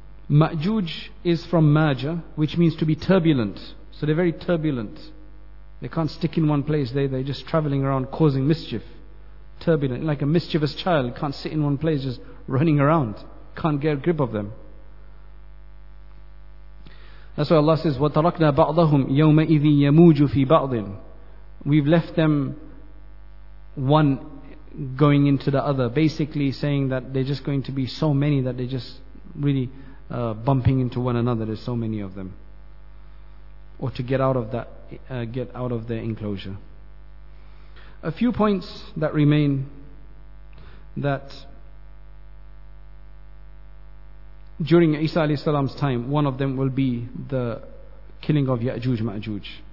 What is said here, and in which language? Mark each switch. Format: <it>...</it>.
<en>Ma'juj is from Maja, which means to be turbulent. So they're very turbulent. They can't stick in one place. They're just traveling around causing mischief. Turbulent, like a mischievous child, can't sit in one place, just running around. Can't get a grip of them. That's why Allah says,</en> <ar>وَتَرَكْنَا بَعْضَهُمْ يَوْمَئِذٍ يَمُوجُ فِي بَعْضٍ.</ar> <en>We've left them one going into the other, basically saying that they're just going to be so many that they're just really bumping into one another. There's so many of them. Or to get out of that, get out of their enclosure. A few points that remain, that during Isa alayhi salam's time, one of them will be the killing of Ya'juj Ma'juj.</en>